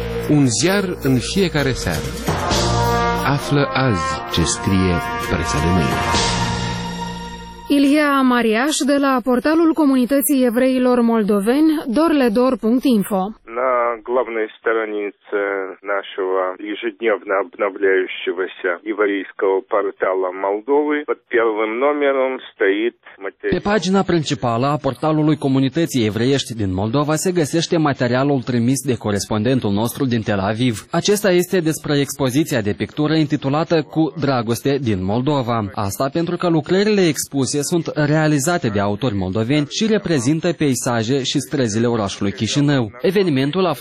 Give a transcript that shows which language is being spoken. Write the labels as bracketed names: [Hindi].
[Romanian] Un ziar în fiecare seară. Află azi ce scrie presa de mâine. Ilia Mariaș, de la portalul comunității evreilor moldoveni, dorledor.info. [Russian] На главной странице нашего ежедневно обновляющегося еврейского портала Молдовы под первым номером стоит материал. [Romanian] Pe pagina principală a portalului comunității evreiești din Moldova se găsește materialul trimis de corespondentul nostru din Tel Aviv. Acesta este despre expoziția de pictură intitulată Cu dragoste din Moldova. Asta pentru că lucrările expuse sunt realizate de autori moldoveni și reprezintă peisaje și străzile orașului Chișinău. Evenimentul a fost